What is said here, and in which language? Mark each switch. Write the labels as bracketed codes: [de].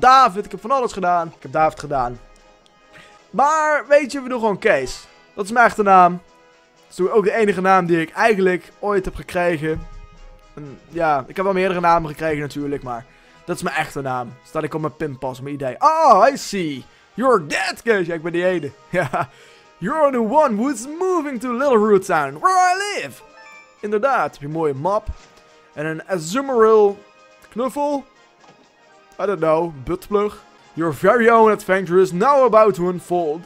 [nl] David. Ik heb van alles gedaan. Ik heb David gedaan. Maar, weet je, we doen gewoon Kees. Dat is mijn echte naam. Dat is ook de enige naam die ik eigenlijk ooit heb gekregen. En, ja, ik heb wel meerdere namen gekregen natuurlijk, maar... Dat is mijn echte naam. Staat ik op mijn pinpas, mijn idee. [en] Oh, I see. You're dead, Kees. [nl] Ja, ik ben die ene. Ja. [en] You're the one who's moving to Little Root Town, where I live. [nl] Inderdaad, heb je een mooie map. En een Azumarill knuffel. [en] I don't know, buttplug. Your very own adventure is now about to unfold.